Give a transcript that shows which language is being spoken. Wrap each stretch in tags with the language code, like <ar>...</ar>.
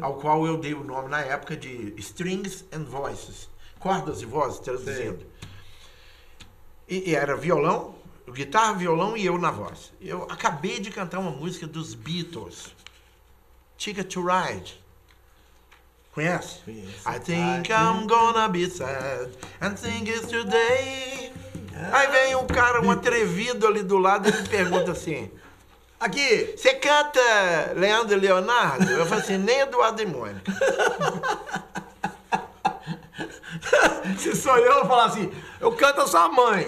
<pt>ao qual eu dei o nome na época de Strings and Voices, cordas e vozes, traduzindo. E era violão, guitarra, violão e eu na voz. Eu acabei de cantar uma música dos Beatles, Ticket to Ride. Conhece?</pt> <en>I think I'm gonna be sad and think it's today.</en> <pt>Aí vem um cara, um atrevido ali do lado, e me pergunta assim: aqui, você canta Leandro e Leonardo? Eu falo assim: nem Eduardo e Mônica. Se sou eu falo assim: eu canto a sua mãe.</pt>